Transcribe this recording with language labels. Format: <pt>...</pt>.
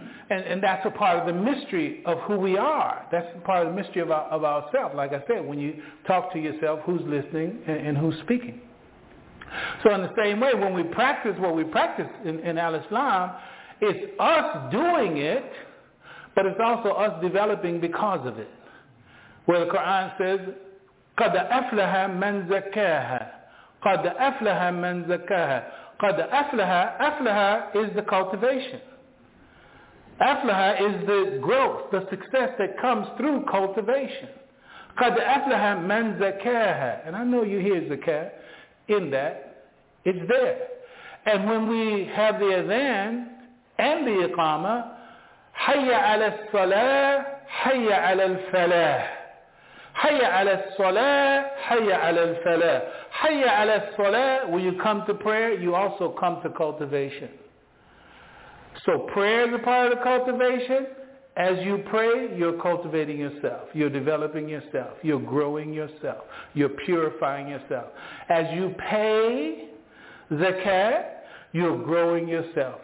<en>And that's a part of the mystery of who we are. That's a part of the mystery of ourselves. Like I said, when you talk to yourself, who's listening and who's speaking? So in the same way, when we practice what we practice in al-Islam, it's us doing it, but it's also us developing because of it. Where the Quran says,</en> <ar>قَدْ أَفْلَحَ مَنْ زَكَّاهَا قَدْ أَفْلَحَ مَنْ زَكَّاهَا قَدْ أَفْلَحَ أَفْلَحَ</ar> <en>is the cultivation. أَفْلَحَ is the growth, the success that comes through cultivation.</en> <ar>قَدْ أَفْلَحَ مَنْ زَكَّاهَا.</ar> <en>And I know you hear zakah in that. It's there. And when we have the adhan and the iqama,</en> <ar>حَيَّ عَلَى الصَّلَاةِ حَيَّ عَلَى الْفَلَاةِ حَيَّ عَلَى الصَّلَاةِ حَيَّ عَلَى الْفَلَاةِ حَيَّ عَلَى الصَّلَاةِ.</ar> <en>When you come to prayer, you also come to cultivation. So prayer is a part of the cultivation, As you pray, you're cultivating yourself. You're developing yourself. You're growing yourself. You're purifying yourself. As you pay zakat, you're growing yourself.</en>